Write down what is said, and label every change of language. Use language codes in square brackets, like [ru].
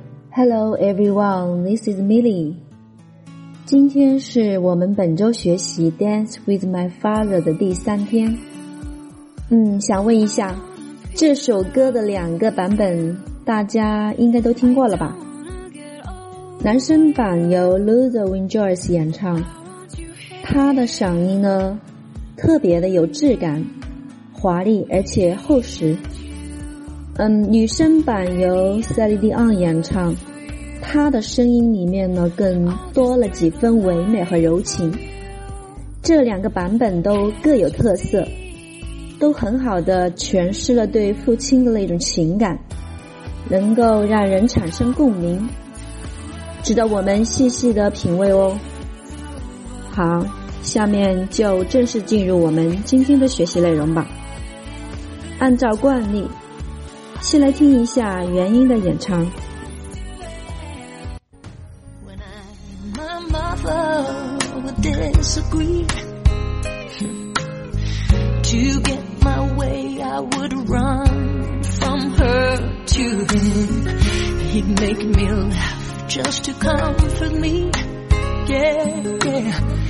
[en] Hello everyone, this is Millie. [zh] 今天是我们本周学习 Dance with my father 的第三天。想问一下，这首歌的两个版本大家应该都听过了吧？男生版由 Luther Vandross 演唱，他的嗓音呢特别的有质感，华丽而且厚实。女生版由 Celine Dion 演唱，她的声音里面呢更多了几分唯美和柔情。这两个版本都各有特色，都很好的诠释了对父亲的那种情感，能够让人产生共鸣，值得我们细细的品味哦。好，下面就正式进入我们今天的学习内容吧。按照惯例，先来听一下原音的演唱。 [en] When I and my mother would disagree, to get my way I would run from her to him. He'd make me laugh just to comfort me, yeah, yeah.